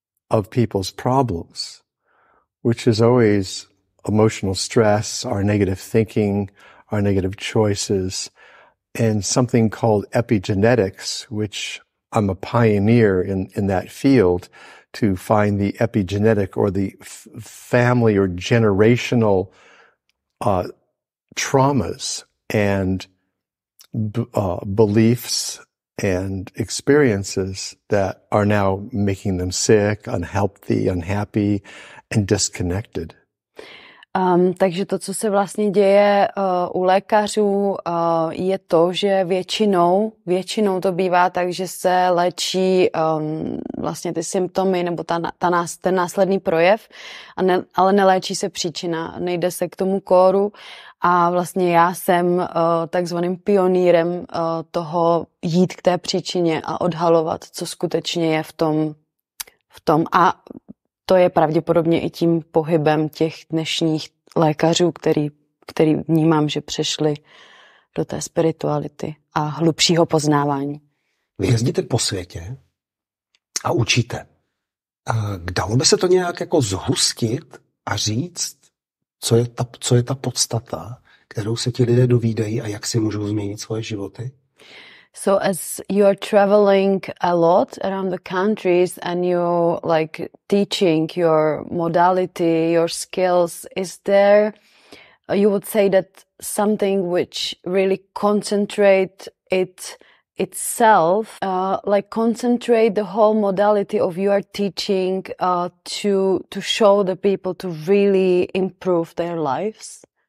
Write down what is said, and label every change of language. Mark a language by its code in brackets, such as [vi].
[en] of people's problems, which is always emotional stress, our negative thinking, our negative choices, and something called epigenetics, which I'm a pioneer in that field, to find the epigenetic or the family or generational traumas and beliefs and experiences that are now making them sick, unhealthy, unhappy, and disconnected. [cs] Takže to, co se vlastně děje u lékařů, je to, že většinou to bývá tak, že se léčí vlastně ty symptomy nebo ten následný projev, ale neléčí se příčina, nejde se k tomu kóru. A vlastně já jsem takzvaným pionýrem toho jít k té příčině a odhalovat, co skutečně je v tom. A to je pravděpodobně i tím pohybem těch dnešních lékařů, který vnímám, že přešli do té spirituality a hlubšího poznávání. Vy jezdíte po světě a učíte. Dalo by se to nějak jako zhustit a říct, co je ta podstata, kterou se ti lidé dovídají a jak si můžou změnit svoje životy? [en] So as you are traveling a lot around the countries and you like teaching your modality, your skills, is there you would say that something which really concentrate it itself, like concentrate the whole modality of your teaching to show the people to really improve their lives?